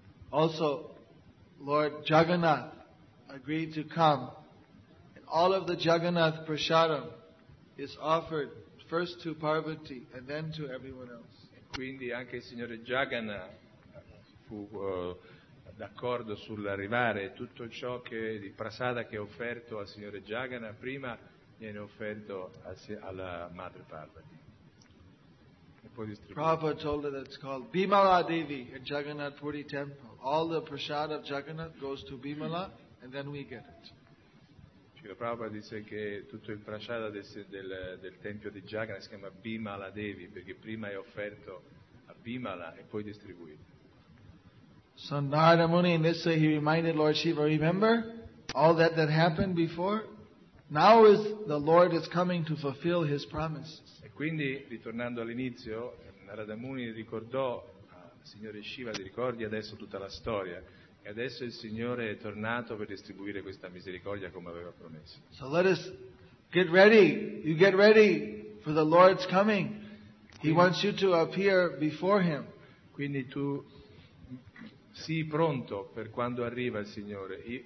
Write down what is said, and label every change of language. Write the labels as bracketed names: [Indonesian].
[English] Also Lord Jagannath agreed to come. All of the Jagannath Prasadam is offered first to Parvati and then to everyone else. [Italian] Quindi anche il signore Jagannath fu d'accordo sull'arrivare. Tutto ciò che di prasada che è offerto al signore Jagannath prima viene offerto alla madre Parvati. E poi distribuito. [English] Prabhupada told her that it's called Bimala Devi in Jagannath Puri Temple. All the prasad of Jagannath goes to Bimala and then we get it. [Italian] Prabhupada disse che tutto il prasada del tempio di Jagannath si chiama Bimala Devi perché prima è offerto a Bimala e poi distribuito. [English] So Narada Muni in this way he reminded Lord Shiva, remember all that happened before? Now is the Lord is coming to fulfill his promise. [Italian] E quindi, ritornando all'inizio, Narada Muni ricordò al signore Shiva, ti ricordi adesso tutta la storia? E adesso il Signore è tornato per distribuire questa misericordia come aveva promesso. [English] So let us get ready. You get ready for the Lord's coming. He wants you to appear before him. [Italian] Quindi tu sii pronto per quando arriva il Signore.